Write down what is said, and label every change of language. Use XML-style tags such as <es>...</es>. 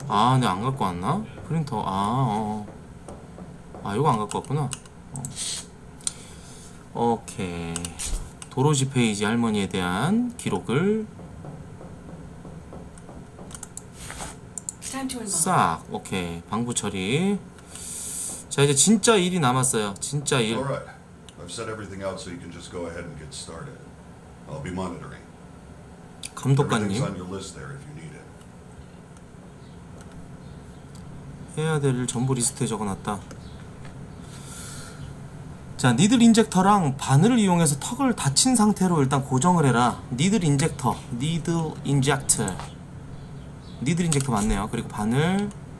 <ko>아, 근데 안 갖고 왔나? 네. 프린터. 아, 어. 아, 이거 안 갖고 왔구나. 어. 오케이. 도로지 페이지 할머니에 대한 기록을 싹. 오케이. 방부 처리. 자, 이제 진짜 일이 남았어요. 진짜 일.</ko> <en>All right. I've set everything out so you can just go ahead and get started. I'll be monitoring.</en> <ko>감독관님.</ko> <en>Everything's on your list there if you need it.</en> <ko>해야 될 일 전부 리스트에 적어놨다. 자, 니들 인젝터랑 바늘을 이용해서 턱을 다친 상태로 일단 고정을 해라. 니들 인젝터. 니들 인젝터. 니들 인젝터 맞네요. 그리고 바늘.</ko>